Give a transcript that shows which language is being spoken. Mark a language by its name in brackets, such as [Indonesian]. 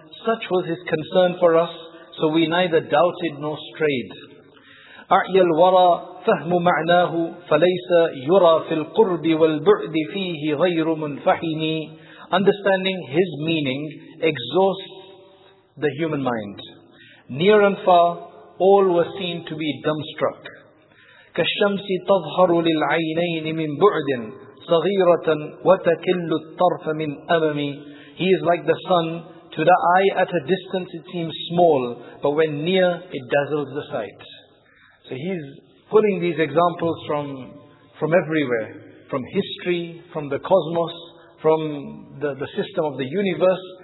[English] Such was his concern for us, so we neither doubted nor strayed. [Arabic] أعي الورى فهم معناه فليس يرى في القرب والبعد فيه غير منفحني. [English] Understanding his meaning exhausts the human mind. Near and far, all were seen to be dumbstruck. [Arabic] كالشمس تظهر للعينين من بعد صغيرة وتكل الطرف من أممي. [English] He is like the sun. To the eye at a distance it seems small, but when near it dazzles the sight. So he's pulling these examples from everywhere. From history, from the cosmos, from the system of the universe.